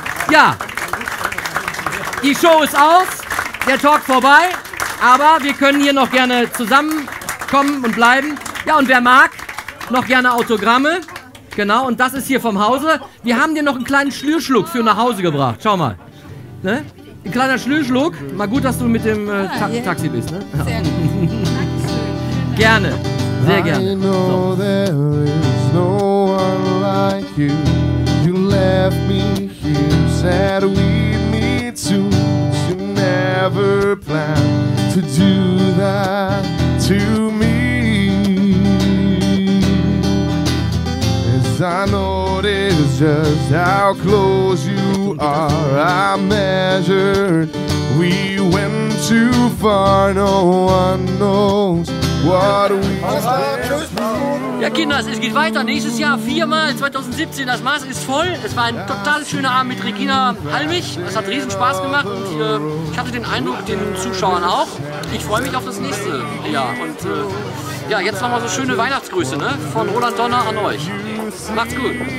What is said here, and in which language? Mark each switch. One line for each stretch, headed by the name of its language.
German: Ja, die Show ist aus, der Talk vorbei, aber wir können hier noch gerne zusammenkommen und bleiben. Ja, und wer mag, noch gerne Autogramme. Genau, und das ist hier vom Hause. Wir haben dir noch einen kleinen Schlürschluck für nach Hause gebracht. Schau mal. Ne? Ein kleiner Schlürschluck. Mal gut, dass du mit dem Taxi bist. Ne? Sehr gerne. Sehr gerne.
English: I know there is no one like you. You left me here, said we'd meet soon. You never planned to do that to me. As I noticed just how close you are, I measured. We went too far, no one knows.
German: Ja, Kinder, es geht weiter. Nächstes Jahr viermal, 2017. Das Maß ist voll. Es war ein total schöner Abend mit Regina Halmich. Es hat riesen Spaß gemacht und ich hatte den Eindruck, den Zuschauern auch. Ich freue mich auf das nächste Jahr. Und ja, jetzt nochmal so schöne Weihnachtsgrüße, ne? Von Roland Donner an euch. Macht's gut.